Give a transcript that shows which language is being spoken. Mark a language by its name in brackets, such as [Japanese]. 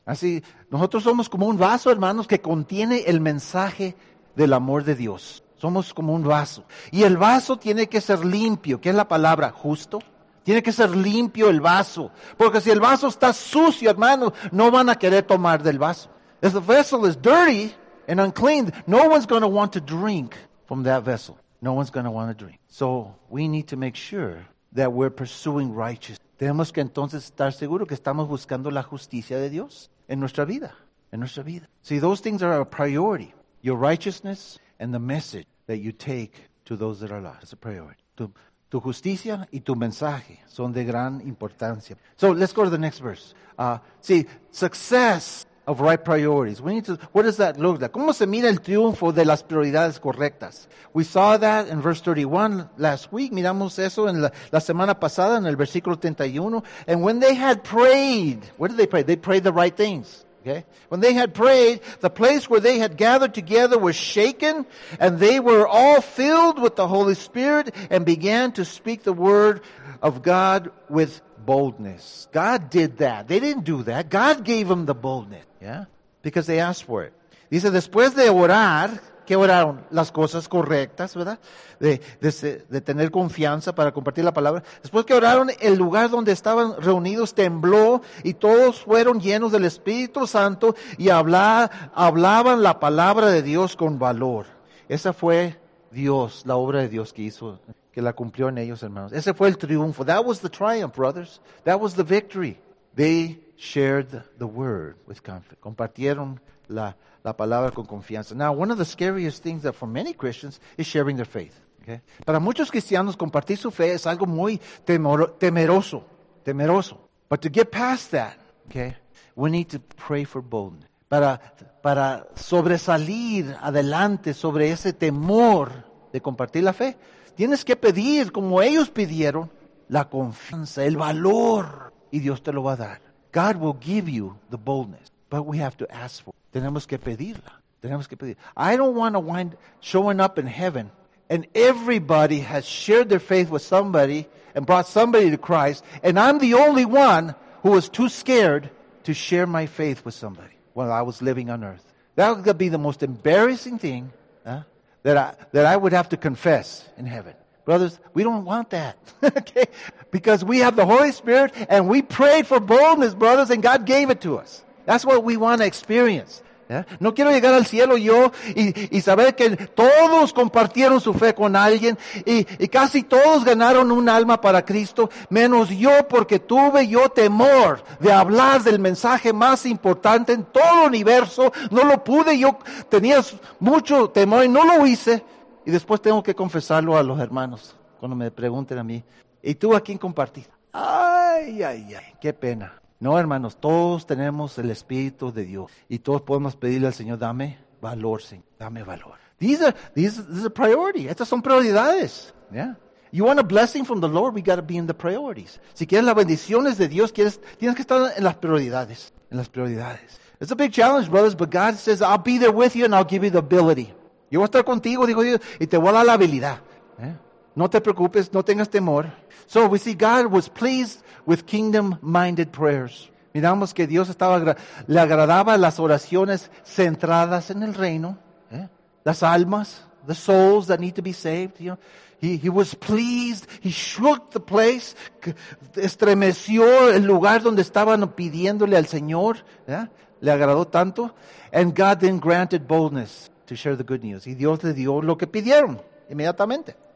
[Spanish] Así, nosotros somos como un vaso, hermanos, que contiene el mensaje del amor de Dios. Somos como un vaso y el vaso tiene que ser limpio. ¿Qué es la palabra? Justo. Tiene que ser limpio el vaso. Porque si el vaso está sucio, hermano, no van a querer tomar del vaso. [English] If the vessel is dirty and unclean, no one's going to want to drink from that vessel. No one's going to want to drink. So we need to make sure that we're pursuing righteousness. [Spanish] Tenemos que entonces estar seguros que estamos buscando la justicia de Dios en nuestra vida. En nuestra vida. [English] See, those things are a priority. Your righteousness and the message that you take to those that are lost. It's a priority. [Spanish] Tu justicia y tu mensaje son de gran importancia. [English] So let's go to the next verse. Success of right priorities. What does that look like? [Spanish] ¿Cómo se mira el triunfo de las prioridades correctas? [English] We saw that in verse 31 last week. [Spanish] Miramos eso en la semana pasada en el versículo 31. [English] And when they had prayed, what did they pray? They prayed the right things. Okay? When they had prayed, the place where they had gathered together was shaken, and they were all filled with the Holy Spirit and began to speak the word of God with boldness. God did that. They didn't do that. God gave them the boldness, yeah? Because they asked for it. [Spanish] Dice, después de orar, ¿qué oraron? Las cosas correctas, ¿verdad? De tener confianza para compartir la palabra. Después que oraron, el lugar donde estaban reunidos tembló y todos fueron llenos del Espíritu Santo y hablaban la palabra de Dios con valor. Esa fue Dios, la obra de Dios que hizo, que la cumplió en ellos, hermanos. Ese fue el triunfo. [English] That was the triumph, brothers. That was the victory. They shared the word with confidence. [Spanish] Compartieron la palabra con confianza. [English] Now, one of the scariest things that for many Christians is sharing their faith. Okay? [Spanish] Para muchos cristianos, compartir su fe es algo muy temeroso. Temeroso. [English] But to get past that, okay, we need to pray for boldness. [Spanish] Para sobresalir adelante sobre ese temor de compartir la fe, tienes que pedir, como ellos pidieron, la confianza, el valor, y Dios te lo va a dar. [English] God will give you the boldness, but we have to ask for it. [Spanish] Tenemos que pedirla. Tenemos que pedir. [English] I don't want to wind showing up in heaven and everybody has shared their faith with somebody and brought somebody to Christ, and I'm the only one who was too scared to share my faith with somebody while I was living on earth. That would be the most embarrassing thing, huh? that I would have to confess in heaven. Brothers, we don't want that, okay? Because we have the Holy Spirit, and we prayed for boldness, brothers, and God gave it to us. That's what we want to experience. Yeah? [Spanish] No quiero llegar al cielo yo y saber que todos compartieron su fe con alguien y casi todos ganaron un alma para Cristo, menos yo, porque tuve yo temor de hablar del mensaje más importante en todo el universo. No lo pude, yo tenía mucho temor y no lo hice. Y después tengo que confesarlo a los hermanos cuando me pregunten a mí. ¿Y tú a quién compartiste? Ay, ay, ay, qué pena. No, hermanos, todos tenemos el Espíritu de Dios. Y todos podemos pedirle al Señor, dame valor, Señor. Dame valor. [English] This is a priority. [Spanish] Estas son prioridades. [English] Yeah. You want a blessing from the Lord, we got to be in the priorities. [Spanish] Si quieres las bendiciones de Dios, tienes que estar en las prioridades. En las prioridades. [English] It's a big challenge, brothers, but God says, I'll be there with you and I'll give you the ability. [Spanish] Yo voy a estar contigo, dijo Dios, y te voy a dar la habilidad. Yeah. No te preocupes, no tengas temor. [English] So we see God was pleased with kingdom-minded prayers. [Spanish] Miramos que Dios estaba, le agradaba las oraciones centradas en el reino. ¿Eh? Las almas, [English] the souls that need to be saved. You know? He was pleased, he shook the place, [Spanish] estremeció el lugar donde estaban pidiéndole al Señor. ¿Eh? Le agradó tanto. [English] And God then granted boldness to share the good news. [Spanish] Y Dios le dio lo que pidieron inmediatamente.